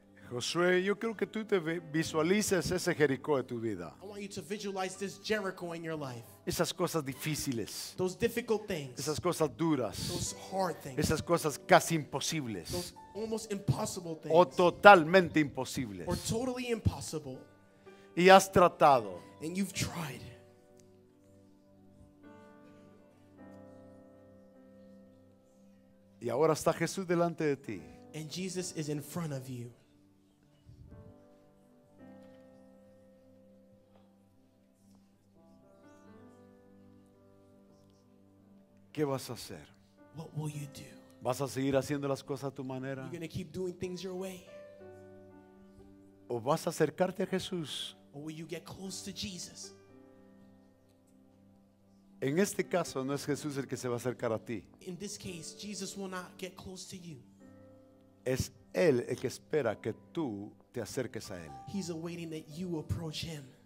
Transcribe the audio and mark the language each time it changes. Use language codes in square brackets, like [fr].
[es] Josué, yo quiero que tú te visualices ese Jericó de tu vida. [en] I want you to visualize this Jericho in your life. [es] Esas cosas difíciles. [en] Those difficult things. [es] Esas cosas duras. [en] Those hard things. [es] Esas cosas casi imposibles. [en] Those almost impossible things. [es] O totalmente imposibles. [en] Or totally impossible. [es] Y has tratado. [en] And you've tried. [es] Y ahora está Jesús delante de ti. [en] And Jesus is in front of you. [es] ¿Qué vas a hacer? [en] What will you do? [es] ¿Vas a seguir haciendo las cosas a tu manera? [en] You're gonna keep doing things your way. [es] ¿O vas a acercarte a Jesús? [en] Or will you get close to Jesus? [es] En este caso, no es Jesús el que se va a acercar a ti. [en] In this case, Jesus will not get close to you. [es] Es Él el que espera que tú te acerques a Él. [en] He's awaiting that you approach Him.